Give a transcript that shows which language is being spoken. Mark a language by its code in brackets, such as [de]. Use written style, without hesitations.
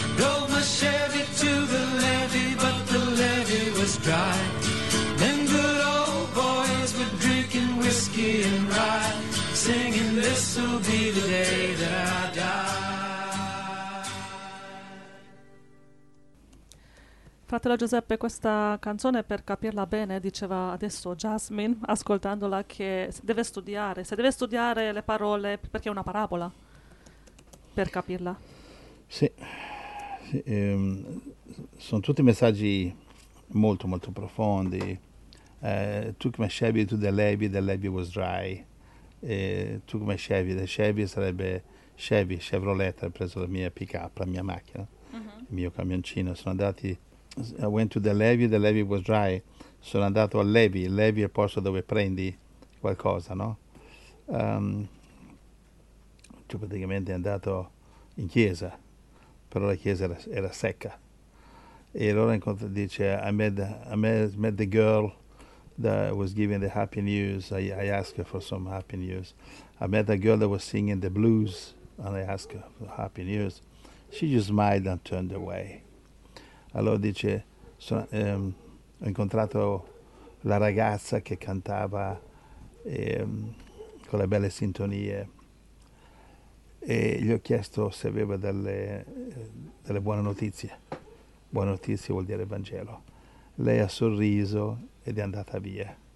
[en] Drove my Chevy to the levee, but the levee was dry. Them good old boys were drinking whiskey and rye, singing, this'll be the day that I die. [it] Fratello Giuseppe, questa canzone, per capirla bene, diceva adesso Jasmine, ascoltandola, che se deve studiare le parole, perché è una parabola, per capirla. Sì, sì, sono tutti messaggi molto, molto profondi. [en] Took my Chevy to the levee was dry. Took my Chevy, [it] the Chevy sarebbe Chevy, Chevrolet, ho preso la mia pick-up, la mia macchina, uh-huh. Il mio camioncino, sono andati... [en] I went to the levee was dry. [it] Sono andato al levee, il levee è il posto dove prendi qualcosa, no? Cioè praticamente è andato in chiesa, però la chiesa era secca. E allora dice, [en] I met the girl that was giving the happy news. I asked her for some happy news. I met a girl that was singing the blues, and I asked her for happy news. She just smiled and turned away. [it] Allora dice, ho incontrato la ragazza che cantava con le belle sintonie e gli ho chiesto se aveva delle buone notizie. Buone notizie vuol dire Vangelo. Lei ha sorriso ed è andata via.